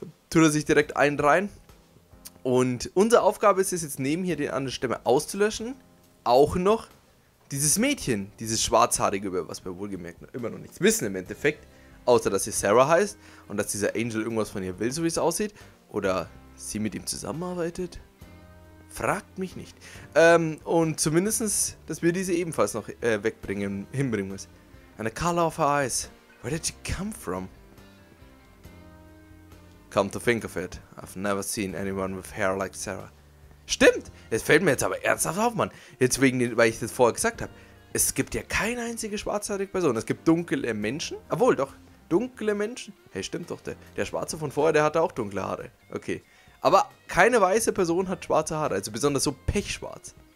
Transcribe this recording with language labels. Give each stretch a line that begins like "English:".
German: Tut er sich direkt einen rein. Und unsere Aufgabe ist es jetzt, neben hier den anderen Stämme auszulöschen, auch noch dieses Mädchen, dieses Schwarzhaarige, über was wir wohlgemerkt immer noch nichts wissen im Endeffekt, außer dass sie Sarah heißt und dass dieser Angel irgendwas von ihr will, so wie es aussieht, oder sie mit ihm zusammenarbeitet, fragt mich nicht. Und zumindest, dass wir diese ebenfalls noch wegbringen, hinbringen müssen.
English: And the color of her eyes, where did she come from? Come to think of it, I've never seen anyone with hair like Sarah.
German: Stimmt, es fällt mir jetzt aber ernsthaft auf, Mann. Jetzt wegen, weil ich das vorher gesagt habe. Es gibt ja keine einzige schwarzhaarige Person. Es gibt dunkle Menschen. Obwohl, doch, dunkle Menschen. Hey, stimmt doch, der Schwarze von vorher, der hatte auch dunkle Haare. Okay, aber keine weiße Person hat schwarze Haare. Also besonders so pechschwarz.